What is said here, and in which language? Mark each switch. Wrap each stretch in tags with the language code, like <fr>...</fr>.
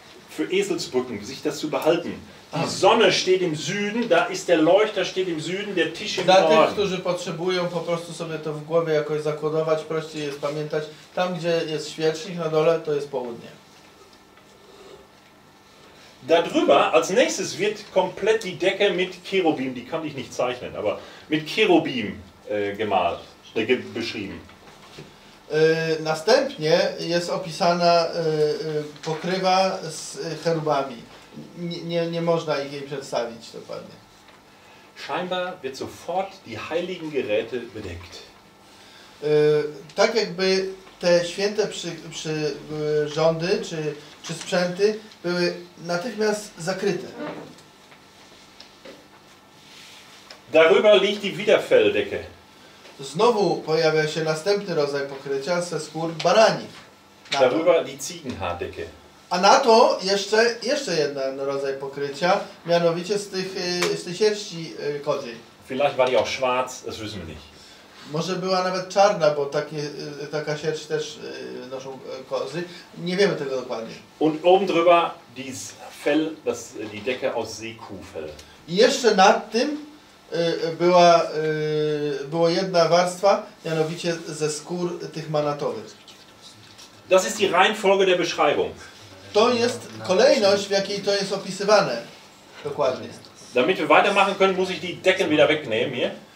<de>Für Eselsbrücken, sich das zu behalten. Die Sonne steht im Süden, da ist der Leuchter, steht im Süden, der Tisch im Norden.</de> <pl>Dla tych, którzy potrzebują po prostu sobie to w głowie jakoś zakodować, prościej jest pamiętać, tam gdzie jest świecznik na dole, to jest południe.</pl> <de>Da drüber, als nächstes wird komplett die Decke mit Cherubim, die kann ich nicht zeichnen, aber mit Cherubim gemalt, beschrieben.</de> <pl>Następnie jest opisana pokrywa z cherubami. Nie można ich jej przedstawić dokładnie.</pl> <de>Scheinbar wird sofort die heiligen Geräte bedeckt.</de> <pl>Tak jakby te święte przyrządy czy sprzęty były natychmiast zakryte.</pl> <de>Darüber liegt die Wiederfelldecke.</de> <pl>Znowu pojawia się następny rodzaj pokrycia ze skór baranich.</pl> <de>Darüber die Ziegenhaardecke.</de> <pl>A na to jeszcze jeden rodzaj pokrycia, mianowicie z tej sierści kodziej.</pl> <de>Vielleicht war die auch schwarz, das wissen wir nicht.</de> <pl>Może była nawet czarna, bo taka sierść też noszą kozy. Nie wiemy tego dokładnie.</pl> <de>Und oben drüber dies Fell, das die Decke aus Seekuhfell.</de> <pl>I jeszcze nad tym była jedna warstwa, mianowicie ze skór tych manatowych.</pl> <de>Das ist die Reihenfolge der Beschreibung.</de> <pl>To jest kolejność, w jakiej to jest opisywane. Dokładnie.</pl> <de>Damit wir weitermachen können, muss ich die Decken wieder wegnehmen hier.</de>